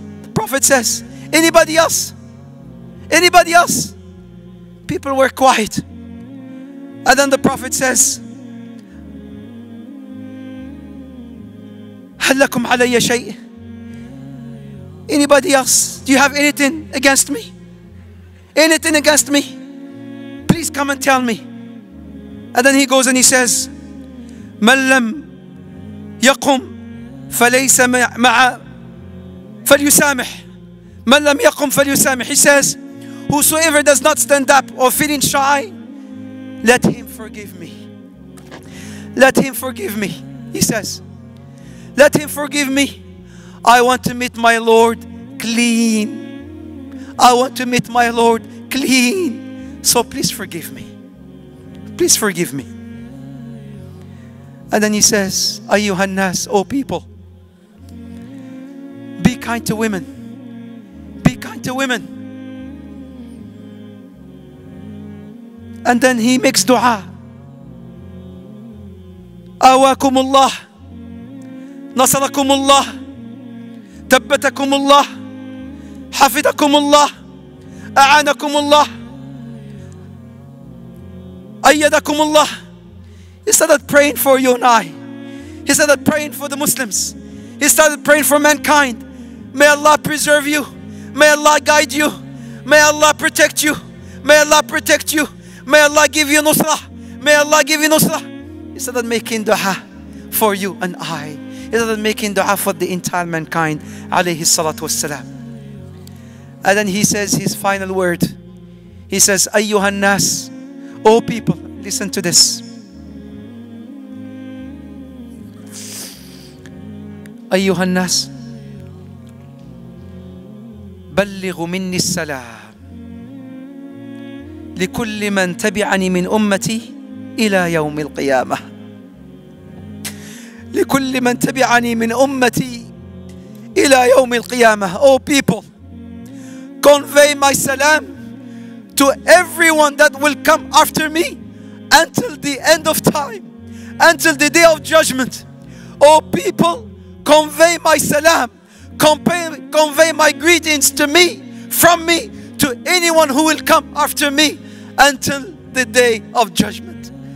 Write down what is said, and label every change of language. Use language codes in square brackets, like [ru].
[en] The Prophet says, anybody else? Anybody else? People were quiet. And then the Prophet says, [ar] هل لكم علي شيء? [en] Anybody else? Do you have anything against me? Anything against me? Please come and tell me. And then he goes and he says, [ar] مَنْ لَمْ يَقُمْ فَلَيْسَ مَعَ فَلْيُسَامِحْ مَنْ لَمْ يَقُمْ فَلْيُسَامِحْ. [en] He says, whosoever does not stand up or feeling shy, let him forgive me. Let him forgive me, he says. Let him forgive me. I want to meet my Lord clean. I want to meet my Lord clean. So please forgive me. Please forgive me. And then he says, Ayyuhannas, oh people, be kind to women. Be kind to women. And then he makes dua. [ar] Awakum Allah. نصركم الله ثبتكم الله حفظكم الله أعانكم الله أيدكم الله. [en] He started praying for you and I. He started praying for the Muslims. He started praying for mankind. May Allah preserve you. May Allah guide you. May Allah protect you. May Allah protect you. May Allah give you nusrah. May Allah give you nusrah. He started making dua for you and I. He started making dua for the entire mankind, alayhi salatu wassalam. And then he says his final word. He says, Ayyuhannas, O people, listen to this. [ar] Ayyuhannas, ballighu minni salam likulli man tabi'ani min ummati ila yawm al-qiyamah. لكل من تبعني من أمتي إلى يوم القيامة. [en] Oh people, convey my salam to everyone that will come after me until the end of time, until the day of judgment. Oh people, convey my salam, convey my greetings to me, from me, to anyone who will come after me until the day of judgment.